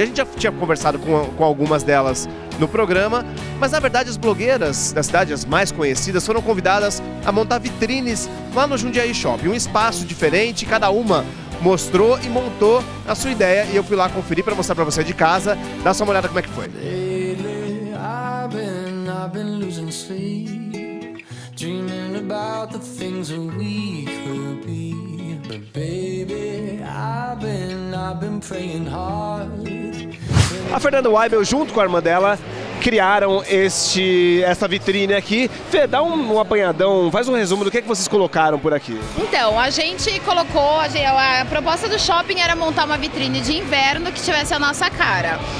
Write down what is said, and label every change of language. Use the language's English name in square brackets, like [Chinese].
[Portuguese] A gente já tinha conversado com algumas delas no programa, mas na verdade as blogueiras da cidade, as mais conhecidas, foram convidadas a montar vitrines lá no Jundiaí Shopping, um espaço diferente, cada uma mostrou e montou a sua ideia, e eu fui lá conferir para mostrar para você de casa. Dá só uma olhada como é que foi. [English] I've been losing sleep, dreaming about the things that we could be. But baby, I've been praying hard. [Portuguese] A Fernanda Weibel, junto com a irmã dela, criaram essa vitrine aqui. Fê, dá um apanhadão, faz um resumo do que vocês colocaram por aqui. Então, a gente colocou, a proposta do shopping era montar uma vitrine de inverno que tivesse a nossa cara.